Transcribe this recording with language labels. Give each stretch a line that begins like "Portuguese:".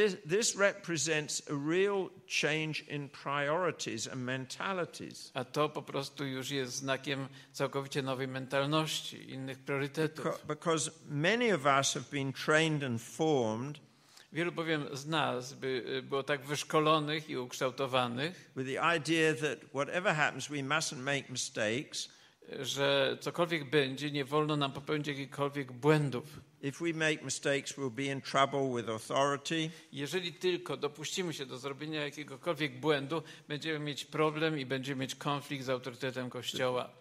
English: This represents a real change in priorities and mentalities.
Polish: A to po prostu już jest znakiem całkowicie nowej mentalności, innych priorytetów.
English: Because many of us have been trained and formed.
Polish: Wielu bowiem z nas było tak wyszkolonych i ukształtowanych,
English: with the idea that whatever happens, we mustn't make mistakes,
Polish: że cokolwiek będzie, nie wolno nam popełnić jakichkolwiek błędów.
English: If we make mistakes, we'll be in trouble with authority.
Polish: Jeżeli tylko dopuścimy się do zrobienia jakiegokolwiek błędu, będziemy mieć problem i będziemy mieć konflikt z autorytetem Kościoła.